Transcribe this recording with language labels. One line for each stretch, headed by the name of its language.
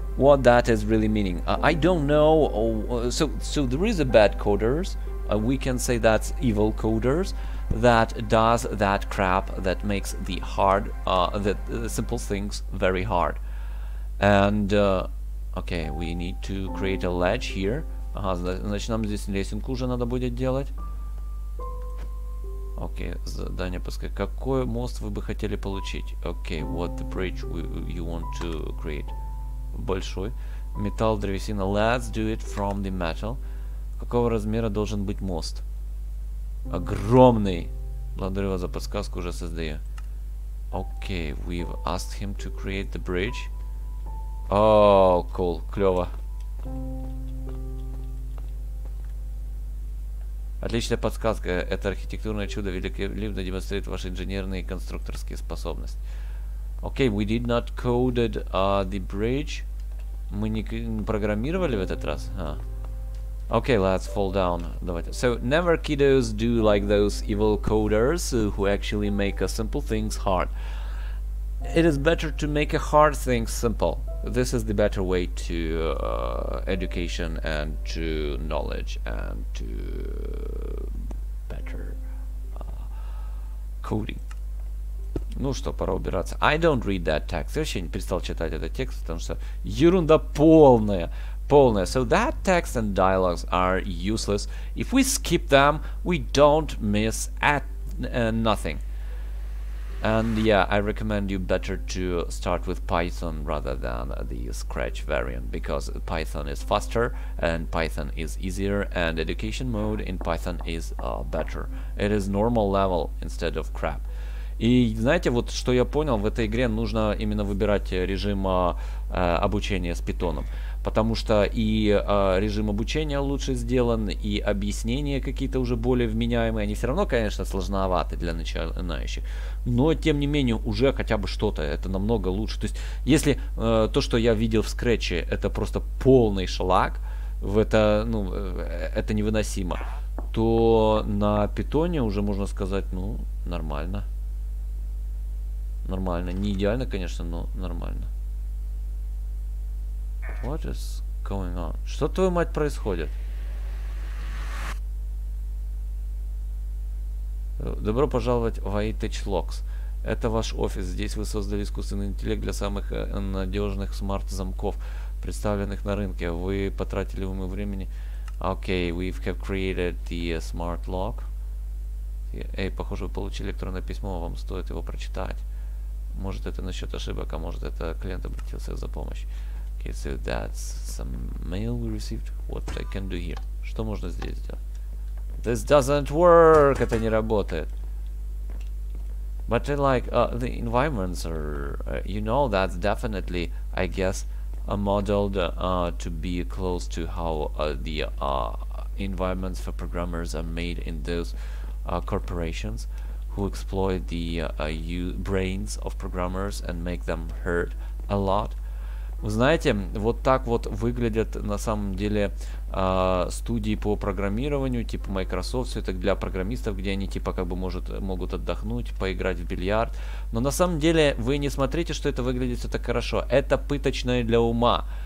English: what that is really meaning. I don't know. So there is a bad coders. We can say that's evil coders that does that crap that makes the hard, the simple things very hard. And okay, we need to create a ledge here.
Russian: Ага, значит, нам здесь лесенку уже надо будет делать. Окей, задание пускай. Какой мост вы бы хотели получить?
English: Окей, what the bridge you want to create?
Russian: Большой. Металл, древесина.
English: Let's do it from the metal.
Russian: Какого размера должен быть мост? Огромный. Благодарю вас за подсказку, уже создаю.
English: Окей, we've asked him to create the bridge.
Russian: Оо, cool, клёво. Отличная подсказка. Это архитектурное чудо великолепно демонстрирует ваши инженерные и конструкторские способности.
English: Окей, we did not coded the bridge.
Russian: Мы не программировали в этот раз?
English: Окей, let's fall down. Давайте. So, never kiddos do like those evil coders who actually make simple things hard. It is better to make a hard thing simple. This is the better way to education and to knowledge and to better coding.
Russian: Ну что, пора убираться.
English: I don't read that text.
Russian: Я вообще не перестал читать этот текст, потому что ерунда полная. Полная.
English: So that text and dialogues are useless. If we skip them, we don't miss at nothing. And yeah, I recommend you better to start with Python rather than the Scratch variant, because Python is faster and Python is easier and education mode in Python is better. It is normal level instead of crap.
Russian: И знаете, вот что я понял, в этой игре нужно именно выбирать режим обучения с питоном. Потому что и режим обучения лучше сделан, и объяснения какие-то уже более вменяемые. Они все равно, конечно, сложноваты для начинающих. Но, тем не менее, уже хотя бы что-то. Это намного лучше. То есть, если то, что я видел в Scratch, это просто полный шлак, это невыносимо, то на питоне уже можно сказать, ну, нормально. Нормально. Не идеально, конечно, но нормально.
English: What is going on?
Russian: Что, твою мать, происходит? Добро пожаловать в iTech Locks. Это ваш офис. Здесь вы создали искусственный интеллект для самых надежных смарт-замков, представленных на рынке. Вы потратили ему времени.
English: Окей, okay, we have created the smart lock.
Russian: Эй, похоже, вы получили электронное письмо. Вам стоит его прочитать. Может, это насчет ошибок, а может, это клиент обратился за помощью.
English: Okay, so that's some mail we received. What I can do here?
Russian: Что можно здесь сделать?
English: This doesn't work!
Russian: Это не работает.
English: But like, the environments are... you know, that's definitely, I guess, modeled to be close to how the environments for programmers are made in those corporations. Who exploit the brains of programmers and make them hurt a lot.
Russian: Вы знаете, вот так вот выглядят на самом деле студии по программированию, типа Microsoft, все это для программистов, где они типа как бы могут отдохнуть, поиграть в бильярд. Но на самом деле вы не смотрите, что это выглядит все так хорошо. Это пыточное для ума.